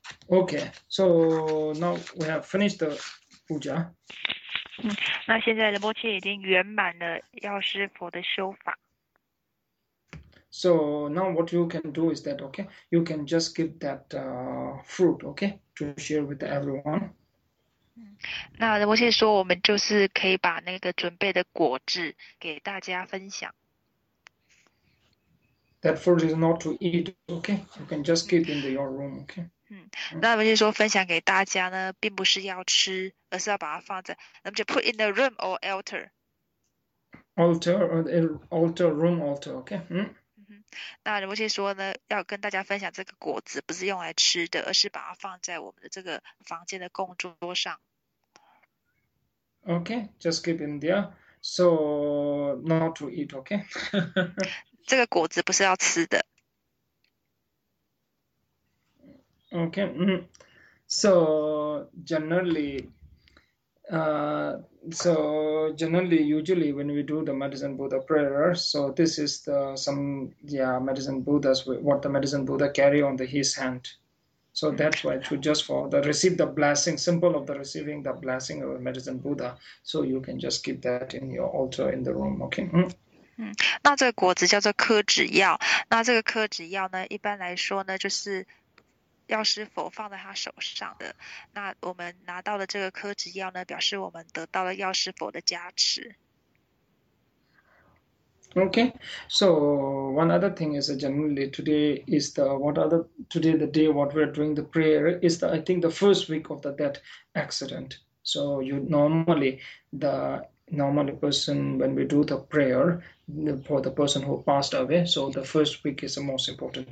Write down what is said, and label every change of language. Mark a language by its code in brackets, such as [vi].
[en] Okay, so now we have finished the puja. [zh] 那现在仁波切已经圆满了药师佛的修法。 [en] So now what you can do is that, okay, you can just give that fruit, okay, to share with everyone. [zh] 那仁波切说，我们就是可以把那个准备的果子给大家分享。 [en] That fruit is not to eat, okay? You can just keep in your room, okay? [zh] 那我们就说分享给大家呢，并不是要吃，而是要把它放在，那么就 put in the room or altar. [en] Altar, room, altar, okay? [zh] 那我们就说呢，要跟大家分享这个果子不是用来吃的，而是把它放在我们的这个房间的供桌上。 [en] Okay, just keep in there, so not to eat, okay? [zh] 这个果子不是要吃的。 [en] Okay, so generally, usually when we do the Medicine Buddha prayer, so this is the Medicine Buddha's, what the Medicine Buddha carry on his hand. So that's why to just for the receive the blessing, symbol of the receiving the blessing of the Medicine Buddha. So you can just keep that in your altar in the room, okay? Mm. [zh] 那这个果子叫做科指药，那这个科指药呢，一般来说呢，就是药师佛放在他手上的。那我们拿到的这个科指药呢，表示我们得到了药师佛的加持。 [en] Okay, so one other thing is generally today is the what other today the day what we're doing the prayer is the I think the first week of the death accident. So you normally the. Normally, person when we do the prayer for the person who passed away, so the first week is the most important.